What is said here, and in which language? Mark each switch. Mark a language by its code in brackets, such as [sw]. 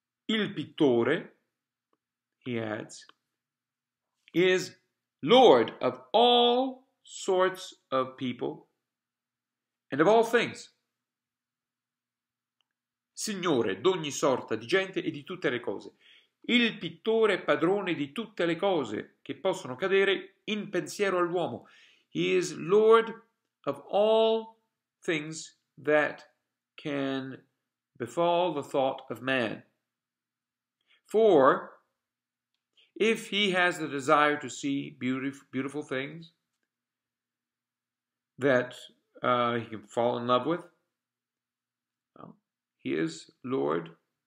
[it] Il pittore, [en] he adds, is Lord of all sorts of people and of all things. [it] Signore d'ogni sorta di gente e di tutte le cose. Il pittore padrone di tutte le cose che possono cadere in pensiero all'uomo. [en] He is Lord of all things that can befall the thought of man. For if he has the desire to see beautiful things that he can fall in love with, well, he is Lord.